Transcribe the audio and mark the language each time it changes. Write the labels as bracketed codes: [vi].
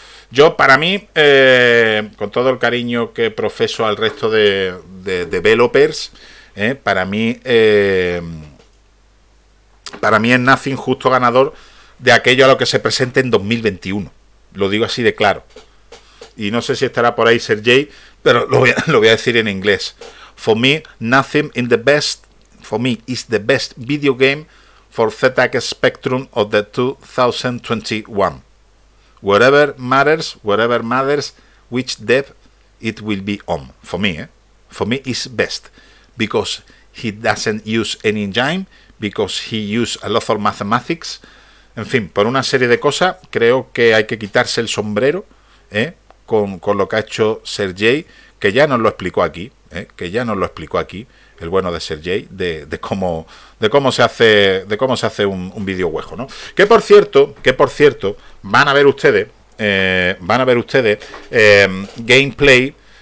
[es] Yo, para mí, con todo el cariño que profeso al resto de developers, para mí, es Nothing justo ganador de aquello a lo que se presente en 2021. Lo digo así de claro. Y no sé si estará por ahí Sergey, pero lo voy a decir en inglés. [en] For me, Nothing in the best, for me, is the best video game for ZX Spectrum of the 2021. Whatever matters, which dev it will be on. For me, For me, is best. Because he doesn't use any engine, because he use a lot of mathematics. [es] En fin, por una serie de cosas, creo que hay que quitarse el sombrero, Con lo que ha hecho Sergey, que ya nos lo explicó aquí, el bueno de Sergey, de cómo se hace un videojuego, ¿no? Que por cierto, van a ver ustedes gameplay.